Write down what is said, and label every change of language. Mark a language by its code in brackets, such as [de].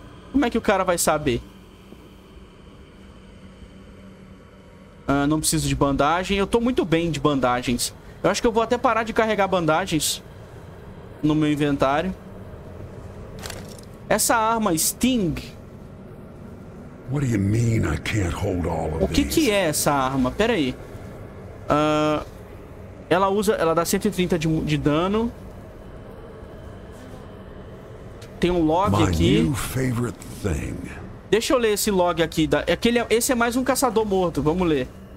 [pt] Como é que o cara vai saber? Não preciso de bandagem. Eu tô muito bem de bandagens. Eu acho que eu vou até parar de carregar bandagens no meu inventário. Essa arma Sting. [en] What do you mean I can't hold all of these? [pt] O que que é essa arma? Pera aí. Ela usa, ela dá 130 de dano. Tem um log aqui. [en] My new favorite thing. [pt] Deixa eu ler esse log aqui. Esse é mais um caçador morto. Vamos ler.